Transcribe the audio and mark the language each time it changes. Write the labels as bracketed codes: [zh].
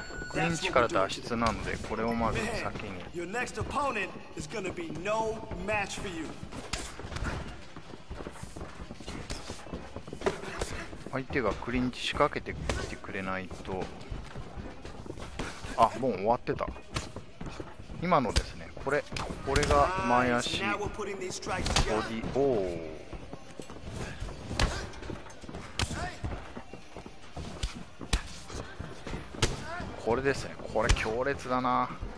[ja] クリンチから脱出なので、これをまず先に。 [en] Your next opponent is gonna be no match for you. [ja] 相手がクリンチ仕掛けてきてくれないと、あ、もう終わってた。今のですね、これが前足ボディ、おお、これですね、これ強烈だな。